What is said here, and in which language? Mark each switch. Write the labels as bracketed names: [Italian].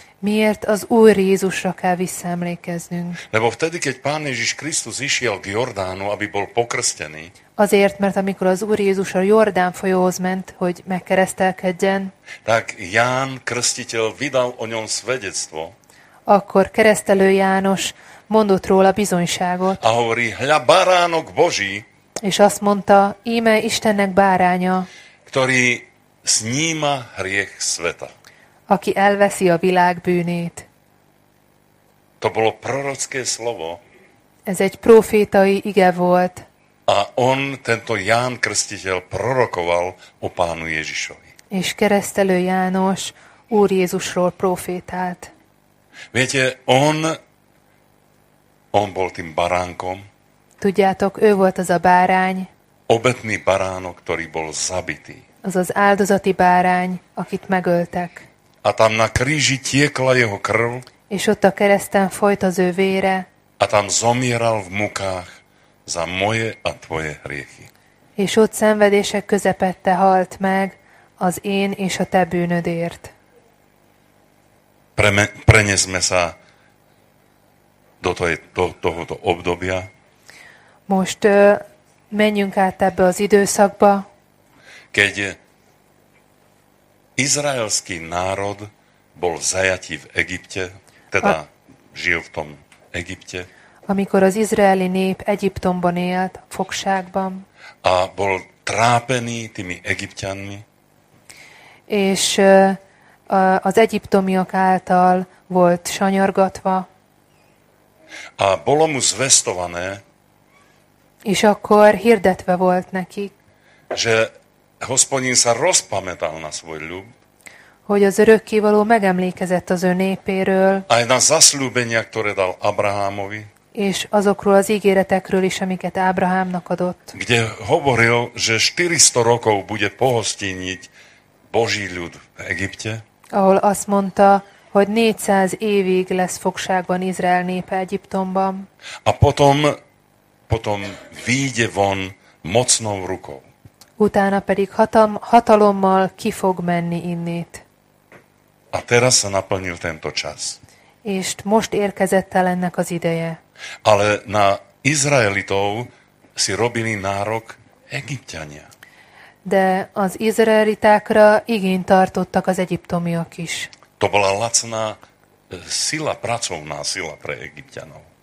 [Hungarian] Miért az Úr Jézusra kell visszaemlékeznünk? [Slovak] Lebo vtedy, keď Pán Ježiš Krisztus išiel k Jordánu, aby bol pokrstený. [Hungarian] Azért, mert amikor az Úr Jézus a Jordán folyóhoz ment, hogy megkeresztelkedjen. [Slovak] Tak Ján Krstiteľ vydal o ňom svedectvo. [Hungarian] Akkor keresztelő János mondott róla bizonyságot. [Slovak] A hovorí, hľa baránok Boží. [Hungarian] És azt mondta, íme Istennek báránya. [Slovak] Ktorý sníma hriech sveta. [Hungarian] Aki elveszi a világ bűnét. [Slovak] To bolo prorocké slovo. [Hungarian] Ez egy profétai ige volt. [Slovak] A on, tento Ján Krstiteľ, prorokoval o Pánu Ježišovi. [Hungarian] És keresztelő János Úr Jézusról profétált. [Slovak] Viete, on bol tým baránkom. [Hungarian] Tudjátok, ő volt az a bárány. [Slovak] Obetný baránok, ktorý bol zabitý. [Hungarian] Az az áldozati bárány, akit megöltek. [Slovak] A tam na kríži tiekla jeho krv. [Hungarian] És ott a kereszten folyt az ő vére. [Slovak] A tam zomíral v mukách za moje a tvoje hriechy. [Hungarian] És ott szenvedések közepette halt meg az én és a te bűnödért. [Slovak] Prenesme sa do tohoto obdobia. [Hungarian] Most menjünk át ebbe az időszakba. [Slovak] Keď izraelský národ bol zajatý v Egypte, teda žil v tom Egypte. [Hungarian] Amikor az izraeli nép Egyiptomban élt, fogságban. [Slovak] A bol trápený tými egyiptianmi. [Hungarian] És az egyiptomiak által volt sanyargatva. [Slovak] A bolo mu zvestované. [Hungarian] És akkor hirdetve volt nekik. [Slovak] Že Hospodin sa rozpamätal na svoj ľud. [Hungarian] Hogy az örökkévaló megemlékezett az ő népéről. [Slovak] Aj na zaslúbenia, ktoré dal Abrahámovi. [Hungarian] És azokról az ígéretekről is, amiket Ábrahámnak adott. [Slovak] Kde hovoril, že 400 rokov bude pohostiniť Boží ľud v Egypte. [Hungarian] Ahol azt mondta, hogy 400 évig lesz fogságban Izrael népe Egyiptomban. [Slovak] A potom vyjde von mocnou rukou. [Hungarian] Utána pedig hatalommal ki fog menni innét. [Slovak] A teraz sa naplnil tento čas. [Hungarian] És most érkezett el ennek az ideje. [Slovak] Ale na Izraelitov si robili nárok egyiptiania. [Hungarian] De az izraelitákra igényt tartottak az egyiptomiak is. [Slovak] To bola lacná sila, pracovná sila pre egyiptianov.